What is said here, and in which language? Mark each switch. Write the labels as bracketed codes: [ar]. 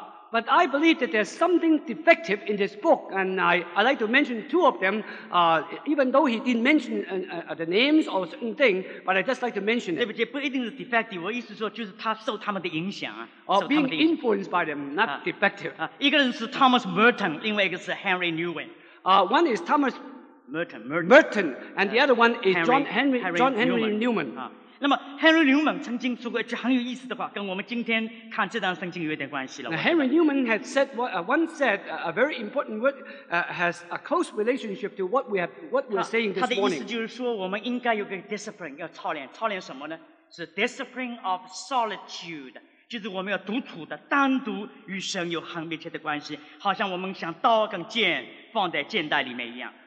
[en] But I believe that there's something defective in this book, and I'd like to mention two of them, even though he didn't mention the names or certain thing, but I'd just like to mention it. [zh] 对不起，不一定是 defective, 我意思说就是他受他们的影响。 [en] Or being influenced by them, not defective. [zh] 一个人是 Thomas Merton, 另外一个是 Henry Newman. [en] One is Thomas Merton, and the other one is John Henry Newman. [zh] 那么 Henry Newman 曾经说过一句很有意思的话，跟我们今天看这段圣经有点关系了。 [en] Now, Henry Newman had said once said a very important word has a close relationship to what we're saying this morning. [zh] 他的意思就是说，我们应该有个 discipline， 要操练。操练什么呢？是 [en] discipline of solitude， [zh] 就是我们要独处的，单独与神有很密切的关系，好像我们像刀跟剑放在剑袋里面一样。